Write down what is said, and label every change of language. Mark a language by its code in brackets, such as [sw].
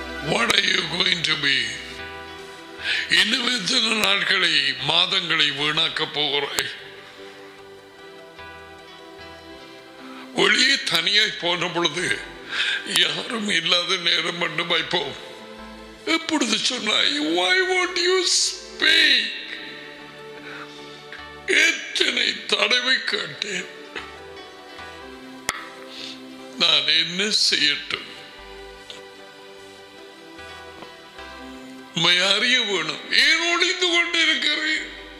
[en] What are you going to be? [ta] இன்னும் எத்தனை நாட்களை மாதங்களை வீணாக்க போகிறாய்? வெளியே தனியாய் போன பொழுது யாரும் இல்லாத நேரம் மட்டும் வைப்போம். எப்பொழுது சொன்னாய், [en] Why won't you speak? [ta] எத்தனை தடவை கேட்டேன், நான் என்ன செய்யட்டும்? உண்மை அறிய வேணும். ஏன் ஒளிந்து கொண்டிருக்கிறேன்?